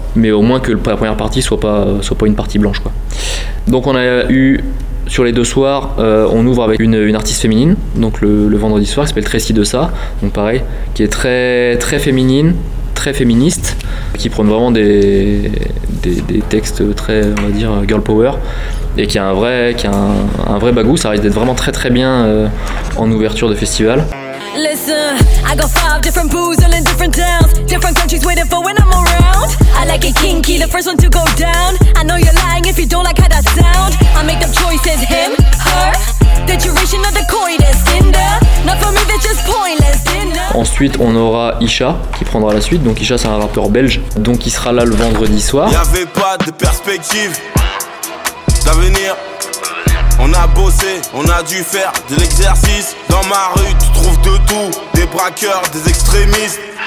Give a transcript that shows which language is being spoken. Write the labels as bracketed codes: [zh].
[fr] Mais au moins que la première partie soit pas une partie blanche, quoi. Donc on a eu, sur les deux soirs, on ouvre avec une artiste féminine, donc le vendredi soir, qui s'appelle Tracy Dessa, donc pareil, qui est très, très féminine, très féministe, qui prône vraiment des textes très, on va dire, girl power, et qui a un vrai bagou. Ça risque d'être vraiment très très bien en ouverture de festival. [en] Listen, I got 5 different booze, all in different towns, different countries waiting for when I'm around. I like it kinky, the first one to go down. I know you're lying if you don't like how that sound. I make the choices, him, her, the duration of the coitus, Tinder. Not for me, that's just pointless. [fr] Ensuite, on aura Isha qui prendra la suite. Donc Isha, c'est un rappeur belge, donc il sera là le vendredi soir. Y'avait pas de perspective d'avenir. On a bossé, on a dû faire de l'exercice. Dans ma rue, tu trouves de tout, des braqueurs, des extrémistes.